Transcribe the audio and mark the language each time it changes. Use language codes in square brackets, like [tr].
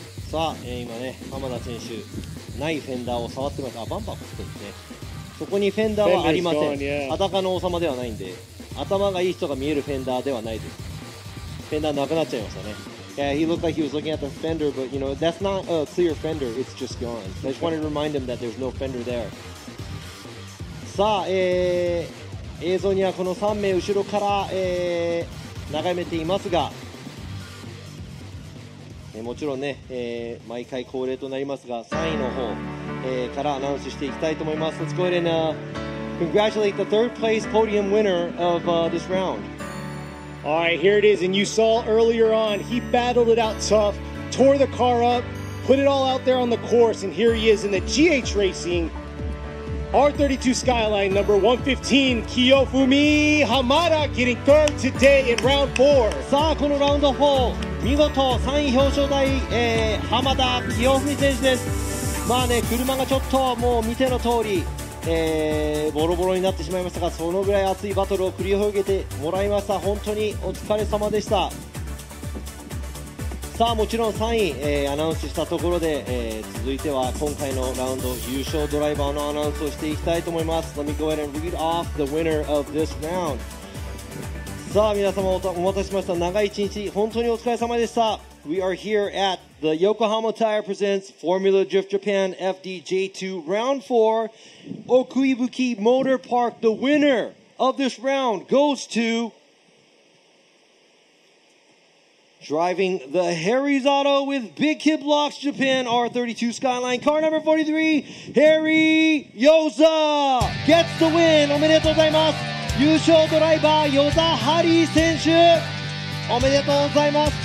[ja] さあ、今ね、浜田選手ないフェンダーを触ってます。あ、バンパーかけてるね。そこにフェンダーはありません。裸の王様ではないんで、頭がいい人が見えるフェンダーではないです。フェンダーなくなっちゃいましたね。 [en] Yeah, he looked like he was looking at the fender, but you know, that's not a clear fender, it's just gone. I just wanted to remind him that there's no fender there. [ja] さあ、映像にはこの3名後ろから、眺めていますが、もちろんね、毎回恒例となりますが、3位の方、からアナウンスしていきたいと思います。 [en] Let's go ahead and, congratulate the third place podium winner of, this round. All right, here it is, and you saw earlier on, he battled it out tough, tore the car up, put it all out there on the course, and here he is in the GH Racing R32 Skyline number 115 Kiyofumi Hamada getting third today in round 4. [ja] さあ、このラウンド4見事3位表彰台、浜田清文選手です。まあね、車がちょっともう見ての通り、ボロボロになってしまいましたが、そのぐらい熱いバトルを繰り広げてもらいました。本当にお疲れ様でした。さあ、もちろん3位、アナウンスしたところで、続いては今回のラウンド優勝ドライバーのアナウンスをしていきたいと思います。 [en] Let me go ahead and read off the winner of this round [ja] さあ、皆様お待たせしました。長い一日本当にお疲れ様でした。 [en] We are here at the Yokohama Tire Presents Formula Drift Japan FDJ2 Round 4 Okuibuki Motor Park. The winner of this round goes to driving the Harry's Auto with Big Kid Blocks Japan R32 Skyline car number 43, Harry Yoza gets the win. [ja] おめでとうございます。優勝ドライバー、ヨザ・ハリー選手、おめでとうございます。